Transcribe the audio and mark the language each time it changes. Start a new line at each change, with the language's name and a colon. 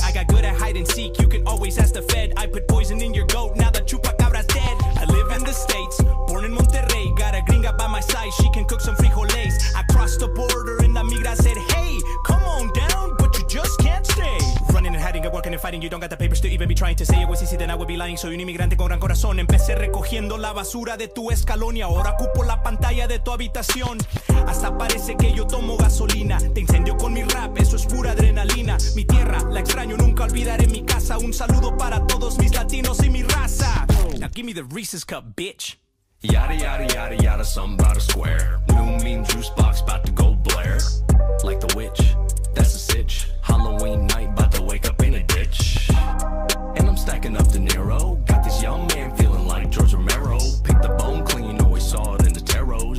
English: I got good at hide and seek, you can always ask the fed. I put poison in your goat, now the chupacabra's dead. I live in the States, born in Monterrey. Got a gringa by my side, she can cook some frijoles. I crossed the border and the migra said, hey, come on down, but you just can't stay. Running and hiding and working and fighting, you don't got the papers to even be trying to say. It was easy, then I would be lying.
Spanish: Soy un inmigrante con gran corazón. Empecé recogiendo la basura de tu escalón y ahora ocupo la pantalla de tu habitación. Hasta parece que yo tomo gasolina. Te incendio con mi rap, eso es pura adrenalina. Mi tierra, la extraño, nunca olvidaré mi casa. Un saludo para todos mis latinos y mi raza.
English: Now give me the Reese's Cup, bitch. Yada, yada, yada, yada, something about a square. New mean juice box, about to go Blair. Like the witch, that's a sitch. Halloween night, about to wake up in a ditch. And I'm stacking up De Niro. Got this young man feeling like George Romero. Picked the bone clean, you know he saw it in the tarot.